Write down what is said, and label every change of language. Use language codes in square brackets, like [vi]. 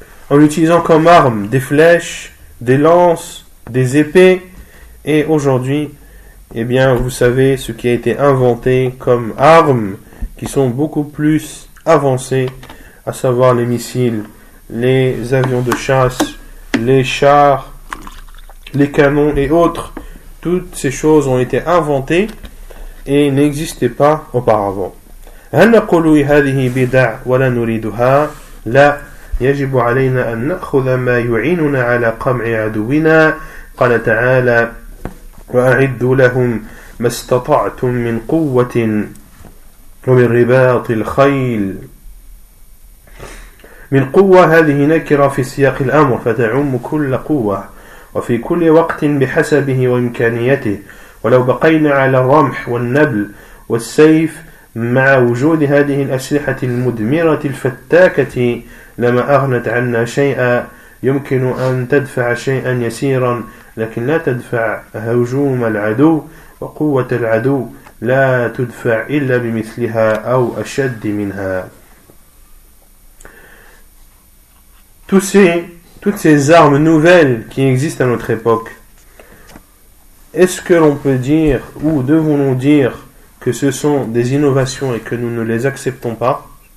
[fr] en utilisant comme armes des flèches, des lances, des épées, et aujourd'hui, eh bien, vous savez ce qui a été inventé comme armes qui sont beaucoup plus avancés, à savoir les missiles, les avions de chasse, les chars, les canons et autres. Toutes ces choses ont été inventées et n'existaient pas auparavant. [ar] هل نقول هذه بدع ولا نريدها؟ لا يجب علينا أن نأخذ ما يعيننا على قمع عدونا. قال تعالى وأعد لهم ما استطعتم من قوة ومن رباط الخيل من قوة هذه نكرة في سياق الأمر فتعم كل قوة وفي كل وقت بحسبه وإمكانيته ولو بقينا على الرمح والنبل والسيف مع وجود هذه الأسلحة المدمرة الفتاكة لما أغنت عنا شيئا يمكن أن تدفع شيئا يسيرا لكن لا تدفع هجوم العدو وقوة العدو لا تدفع إلا بمثلها أو أشد منها. [fr] Toutes ces armes nouvelles qui existent à notre époque, est-ce que l'on peut dire ou devons-nous dire que ce sont des innovations et que nous ne les acceptons pas?